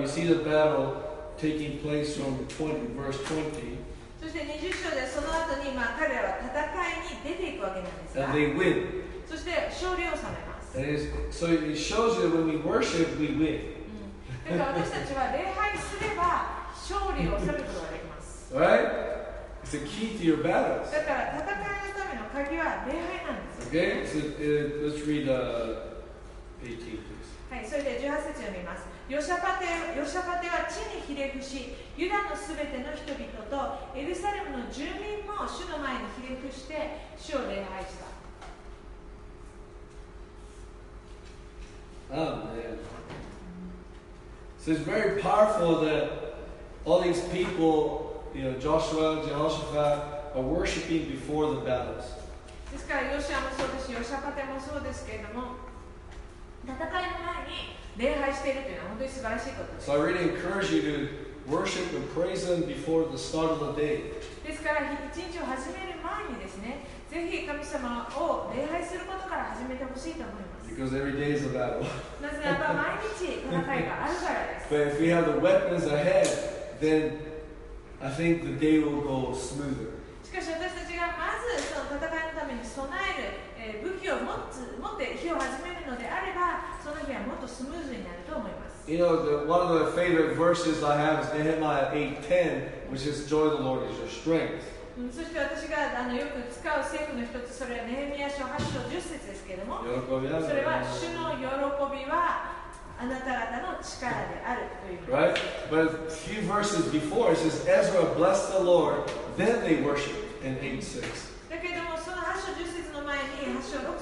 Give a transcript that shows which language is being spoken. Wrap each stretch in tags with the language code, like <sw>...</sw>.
<en>You see the battle taking place from verse 20.</en> <ja>そして20章でその後に、まあ、彼らは戦いに出ていくわけなんですが。</ja> <en>And they win.</en> <ja>そして勝利を収めます。</ja> <en>And it's, so it shows that when we worship, we win.</en> <ja>だから私たちは礼拝すれば勝利を収めることができます。</ja> <en>Right? It's a key to your battles.</en> <ja>だから戦いのための鍵は礼拝なんです。</ja> <en>Okay? So let's read the 18,</en> <ja>はい、それで18節読みます。ヨシャパテは地にひれ伏し、ユダのすべての人々とエルサレムの住民も主の前にひれ伏して主を礼拝した。アーメン。</ja> <en>So it's very powerful that all these people, you know, Joshua, Jehoshaphat, are worshiping before the battles.</en> <ja>ですからヨシアもそうですし、ヨシャパテもそうですけれども。</ja> <en>So I really encourage you to worship and praise Him before the start of the day.</en> <ja>ですから一日を始める前にですね、ぜひ神様を礼拝することから始めてほしいと思います。</ja> <en>Because every day is a battle.</en> <ja>なぜならば毎日戦いがあるからです。</ja> <en>But if we have the weapons ahead, then I think the day will go smoother.</en> <ja>しかし私たちがまずその戦いのために備える武器を持って火を始めるのであれば、その日はもっとスムーズになると思います。</ja> <en>You know, one of the favorite verses I have is Nehemiah 8:10, which is Joy of the Lord is your strength.</en> <ja>そして私がよく使う聖句の一つ、それはネヘミヤ書8章10節ですけれども、それは主の喜びはあなた方の力であるという。</ja> <en>Right? But a few verses before, it says Ezra blessed the Lord, then they worshiped in 8:6.</en> <ja>だけども、その8章10節の前に8章</ja>